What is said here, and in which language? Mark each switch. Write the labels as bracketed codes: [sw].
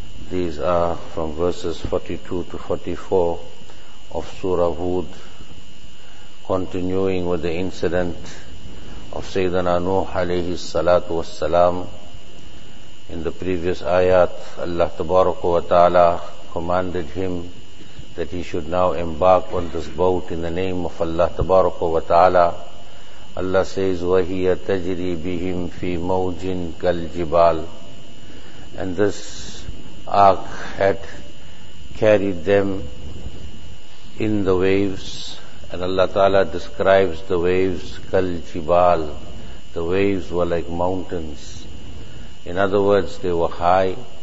[en] These are from verses 42 to 44 of Surah Hud, continuing with the incident of Sayyidina Nuh alayhi salatu was salam. In the previous ayat, Allah tabaraka wa ta'ala commanded him that he should now embark on this boat in the name of Allah tabaraka wa ta'ala. Allah says, [ar] وَهِيَ تَجْرِي بِهِمْ فِي مَوْجٍ كَالْجِبَالِ. [en] And this ark had carried them in the waves, and Allah Ta'ala describes the waves kal jibal. The waves were like mountains. In other words, they were high.